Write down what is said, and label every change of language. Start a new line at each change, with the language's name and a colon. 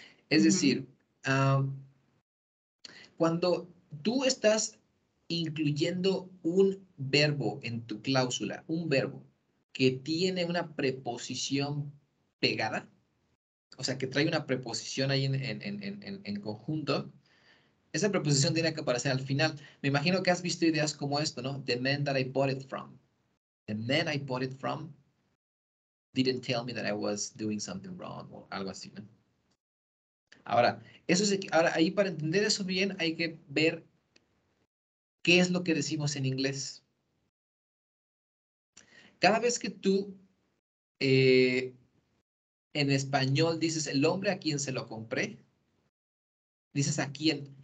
Spanish: Es decir, cuando tú estás incluyendo un verbo en tu cláusula, un verbo que tiene una preposición pegada, o sea, que trae una preposición ahí en conjunto, esa preposición tiene que aparecer al final. Me imagino que has visto ideas como esto, ¿no?
English: The man that I bought it from. The man I bought it from didn't tell me that I was doing something wrong,
Spanish: o algo así, ¿no? Ahora, eso es, ahora ahí para entender eso bien, hay que ver qué es lo que decimos en inglés. Cada vez que tú en español dices el hombre a quien se lo compré, dices a quién.